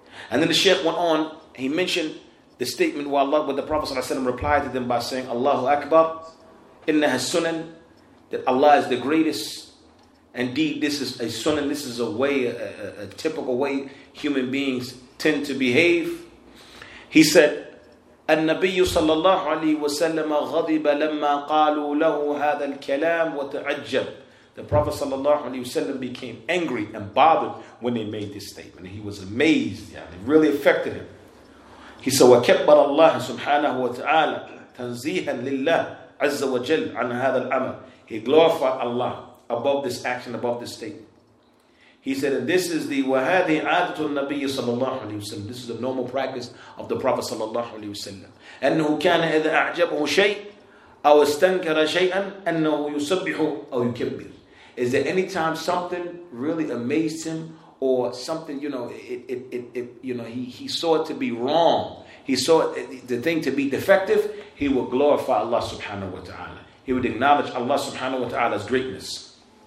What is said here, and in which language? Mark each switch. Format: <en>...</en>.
<en>And then the Shaykh went on, he mentioned the statement where Allah, when the Prophet ﷺ replied to them by saying, Allahu Akbar, inna has sunan, that Allah is the greatest. Indeed, this is a sunan, this is a way, a typical way human beings tend to behave. He said,</en> <ar>النبي صلى الله عليه وسلم غضب لما قالوا له هذا الكلام وتعجب.</ar> <en>The Prophet صلى الله عليه وسلم became angry and bothered when they made this statement. He was amazed. It really affected him. He said,</en> <ar>وكبر الله سبحانه وتعالى تنزيها لله عز وجل عن هذا الأمر.</ar> <en>He glorified Allah above this action, above this statement. He said, and this is the</en> <ar>وهذه عادة النبي صلى الله عليه وسلم.</ar> <en>This is the normal practice of the Prophet صلى الله عليه وسلم.</en> <ar>أنه كان إذا أعجبه شيء أو استنكر شيئا أنه يسبح أو يكبر.</ar> <en>Is that anytime something really amazed him, or something, he saw it to be wrong, he saw the thing to be defective, he will glorify Allah subhanahu wa ta'ala. He would acknowledge Allah subhanahu wa ta'ala's greatness.</en>